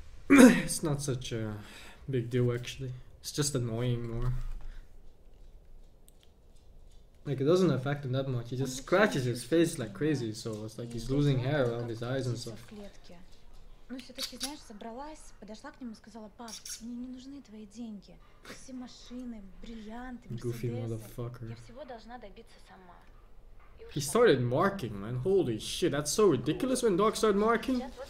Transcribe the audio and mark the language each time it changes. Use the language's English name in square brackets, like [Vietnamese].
[English] It's not such a big deal actually, it's just annoying more. Like it doesn't affect him that much, he just scratches his face like crazy, so it's like he's losing hair around his eyes and stuff. [Russian] Ну все-таки, знаешь, собралась, подошла к нему и сказала: "Пап, мне не нужны твои деньги. Все машины, бриллианты, [English] Goofy motherfucker. [Russian] Я всего должна добиться сама." [English] He started marking, man. Holy shit, that's so ridiculous when dogs start marking.